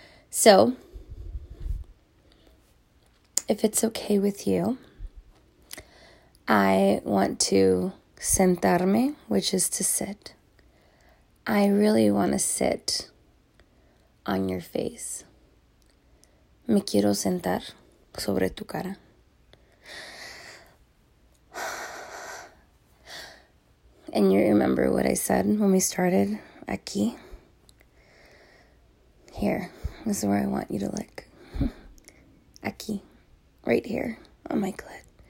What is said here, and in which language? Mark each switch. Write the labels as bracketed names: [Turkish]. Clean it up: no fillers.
[English] So, if it's okay with you, I want to [Spanish] sentarme, [English] which is to sit. I really want to sit on your face. [Spanish] Me quiero sentar sobre tu cara. [English] And you remember what I said when we started? [Spanish] Aquí. [English] Here. This is where I want you to lick. [Spanish] Aquí. [English] Right here. On my clit.